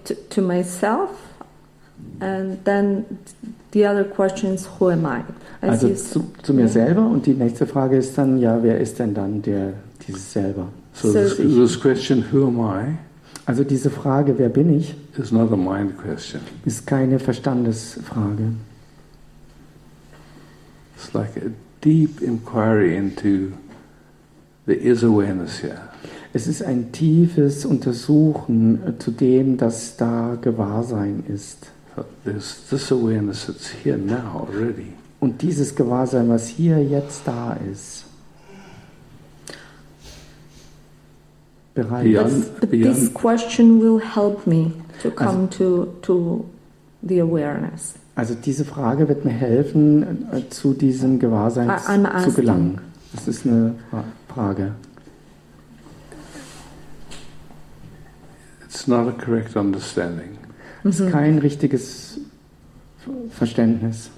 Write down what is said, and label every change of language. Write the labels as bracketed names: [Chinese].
[English] To myself, and then the other question is, who am I? [German] Also zu mir selber, und die nächste Frage ist dann, ja, wer ist denn dann dieses selber? [English] So this question, who am I? [German] Also diese Frage, wer bin ich? [English] Is not a mind question. [German] Ist keine Verstandesfrage. [English] It's like a deep inquiry into the is awareness here. [German] Es ist ein tiefes Untersuchen zu dem, dass da Gewahrsein ist. [English] This awareness that's here now already. [German] Und dieses Gewahrsein, was hier jetzt da ist. Bereits. [English] This question will help me to come to the awareness. [German] Also diese Frage wird mir helfen, zu diesem Gewahrsein zu gelangen. Das ist eine Frage. [English] It's not a correct understanding. [German] Es ist kein richtiges Verständnis.